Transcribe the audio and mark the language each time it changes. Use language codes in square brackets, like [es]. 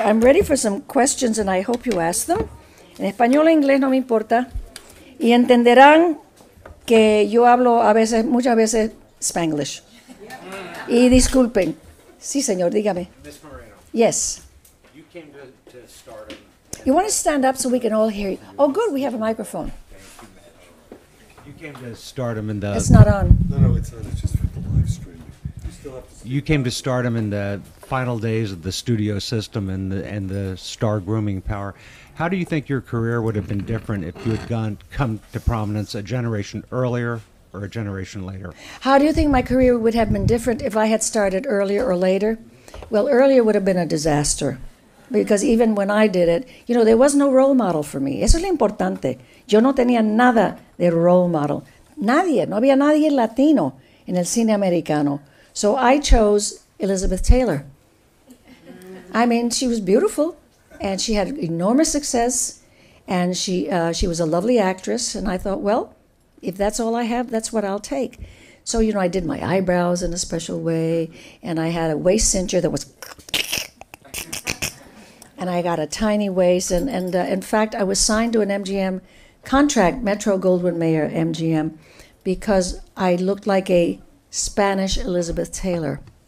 [en] I'm ready for some questions and I hope you ask them. [es] En español o inglés no me importa. Y entenderán que yo hablo a veces, muchas veces, Spanglish. Y disculpen. Sí, señor, dígame. [en] Ms. Moreno. Yes. You came to start. You want to stand up so we can all hear you. Oh, good, we have a microphone. Thank you, ma'am. You came to Stardom in the... It's not on. No, it's on. It's just for the live stream. You came to Stardom in the final days of the studio system and the star grooming power. How do you think your career would have been different if you had come to prominence a generation earlier or a generation later? How do you think my career would have been different if I had started earlier or later? Well, earlier would have been a disaster. Because even when I did it, you know, there was no role model for me. [es] Eso es lo importante. Yo no tenía nada de role model. Nadie. No había nadie latino en el cine americano. [en] So I chose Elizabeth Taylor. I mean, she was beautiful, and she had enormous success, and she was a lovely actress, and I thought, well, if that's all I have, that's what I'll take. So, you know, I did my eyebrows in a special way, and I had a waist cincher that was and I got a tiny waist, and in fact, I was signed to an MGM contract, Metro-Goldwyn-Mayer MGM, because I looked like a Spanish Elizabeth Taylor.